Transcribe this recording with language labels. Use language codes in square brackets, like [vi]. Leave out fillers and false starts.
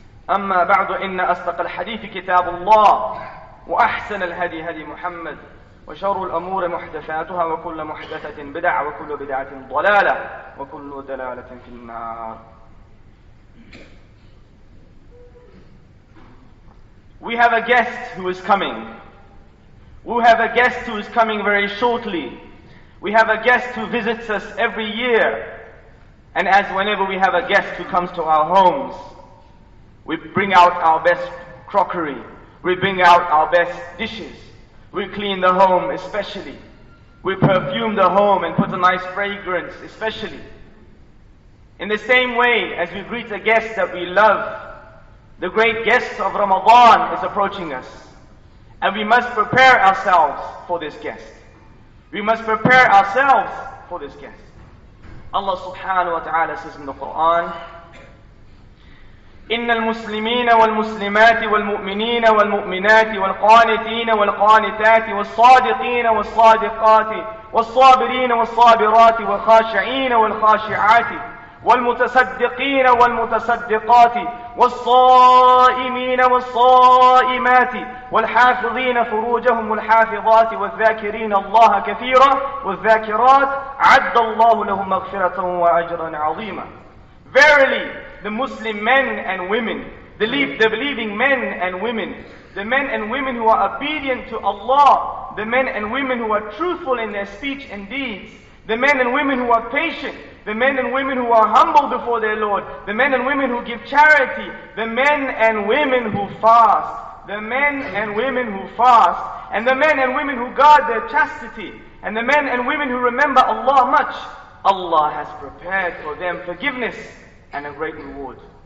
[ar] أما بعد، إن أصدق الحديث كتاب الله وأحسن الهدي هدي محمد، وشر الأمور محدثاتها، وكل محدثة بدعة، وكل بدعة ضلالة، وكل دلالة في النار. [en] We have a guest who is coming. We have a guest who is coming very shortly. We have a guest who visits us every year. And as whenever we have a guest who comes to our homes, we bring out our best crockery. We bring out our best dishes. We clean the home especially. We perfume the home and put a nice fragrance especially. In the same way, as we greet a guest that we love, the great guest of Ramadan is approaching us. And we must prepare ourselves for this guest. We must prepare ourselves for this guest. Allah subhanahu wa ta'ala says in the Quran, [ar] إِنَّ الْمُسْلِمِينَ وَالْمُسْلِمَاتِ وَالْمُؤْمِنِينَ وَالْمُؤْمِنَاتِ وَالْقَانِتِينَ وَالْقَانِتَاتِ وَالصَّادِقِينَ وَالصَّادِقَاتِ وَالصَّابِرِينَ وَالصَّابِرَاتِ وَالْخَاشِعِينَ وَالْخَاشِعَاتِ والمتصدقين والمتصدقات والصائمين والصائمات والحافظين فروجهم والحافظات والذاكرين الله كثيرا والذاكرات عد الله لهم مغفرة وأجرا عظيما. [en] Verily, the Muslim men and women, the believing men and women, the men and women who are obedient to Allah, the men and women who are truthful in their speech and deeds, the men and women who are patient, the men and women who are humble before their Lord, the men and women who give charity, the men and women who fast, the men and women who fast, and the men and women who guard their chastity, and the men and women who remember Allah much, Allah has prepared for them forgiveness and a great reward.